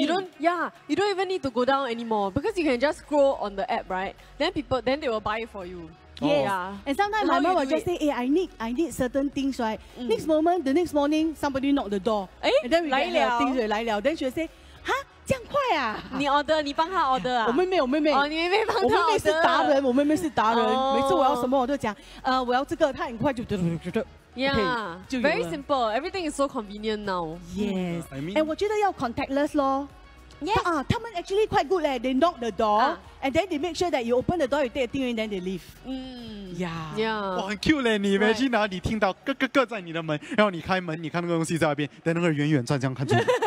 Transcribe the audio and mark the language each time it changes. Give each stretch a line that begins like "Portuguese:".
English: You don't even need to go down anymore because you can just scroll on the app, right? Then they will buy it for you. Yes. Yeah. And sometimes my mom will just say, hey, I need certain things, right? Mm. Next moment, the next morning, somebody knocked the door. And then we get her things to lie liao. Then she will say, huh?
Chinese: 这样快啊? 你帮她 order 啊? 我妹妹。哦, 你妹妹帮她 order? 我妹妹是达人, 我妹妹是达人。
English: Oh.
Chinese: 每次我要什么, 我都讲, 我要这个, 她很快就...
English: Yeah, okay, very simple. Everything is so convenient now. Yes. I mean, and
Chinese: 我觉得要
English: contactless 咯。 Yes. But,
Chinese: 他们
English: actually quite good leh. They knock the door and then they make sure that you open the door, you take a thing and then they leave. Yeah.
Chinese: 很
English: cute leh.
Chinese: 你 imagine 你听到 咯咯咯在你的门, 然后你开门, 你看那个东西在那边, 在那个远远站这样看出来。